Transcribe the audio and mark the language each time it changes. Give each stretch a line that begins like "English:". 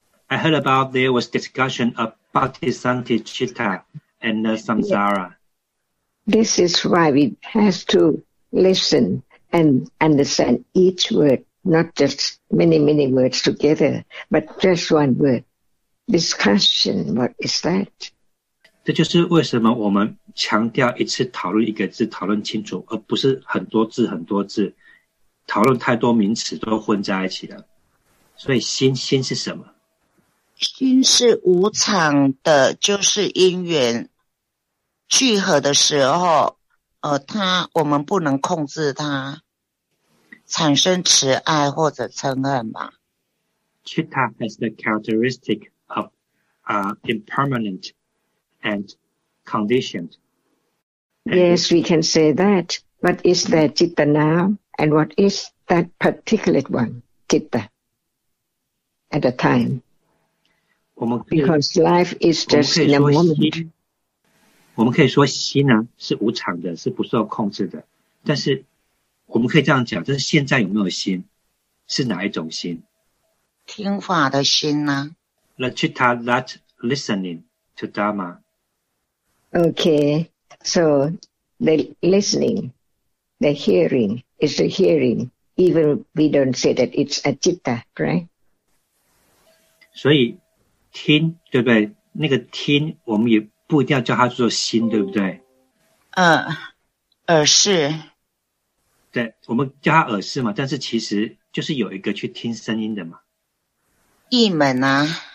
English: I heard about there was discussion of Bhaktisanti Chitta and Samsara.、Yeah. This is why we have to listen and understand each word, not just many, many words together, but just one word. Discussion, what is that?
Chinese: 这就是为什么我们强调一次讨论一个字，讨论清楚，而不是很多字很多字，讨论太多名词都混在一起了。所以心是什么？心是无常的，就是因缘。聚合的时候，它我们不能控制它，产生慈爱或者嗔恨吧。
English: Chitta has the characteristic of impermanent and conditioned. Yes, we can say that. What is that chitta now? And what is that particular one chitta at a time? Because life is just in a moment.
Chinese: 我们可以说心、是无常的，是不受控制的，但是我们可以这样讲，就是现在有没有心，是哪一种心？听法的心呢？
English: The citta that listening to Dharma. Okay, so the listening, the hearing is the hearing, even we don't say that it's a citta, right?
Chinese: 所以听，对不对？那个听我们也不一定要叫它做心，对不对？耳识。对，我们叫它耳识嘛，但是其实就是有一个去听声音的嘛。意门啊。